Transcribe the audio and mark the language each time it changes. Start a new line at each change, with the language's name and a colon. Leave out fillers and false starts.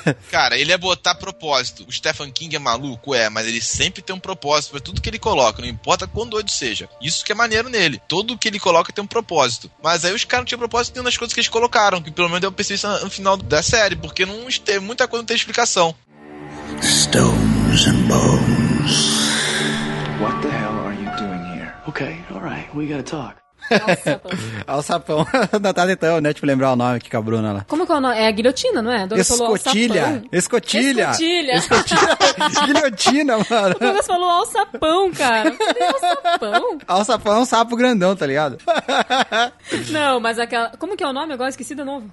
Portuguese: Cara, ele ia botar propósito. O Stephen King é maluco? É, mas ele sempre tem um propósito pra tudo que ele coloca, não importa quão doido seja. Isso que é maneiro nele. Tudo que ele coloca tem um propósito. Mas aí os caras não tinham propósito nenhuma das coisas que eles colocaram, que pelo menos eu percebi isso no final da série, porque não teve muita coisa, não tem explicação.
English: Stones and bones. What the hell are you doing here? Okay, all right, we gotta talk.
Portuguese: Alçapão. Alçapão. Da então, né? Tipo, lembrar o nome aqui com a Bruna lá. Como que é o nome? É a guilhotina, não é? Escotilha. Escotilha. Escotilha. Guilhotina, mano. O Douglas falou alçapão, cara. Alçapão é um sapo grandão, tá ligado? Não, mas aquela... Como que é o nome agora? Esqueci de novo.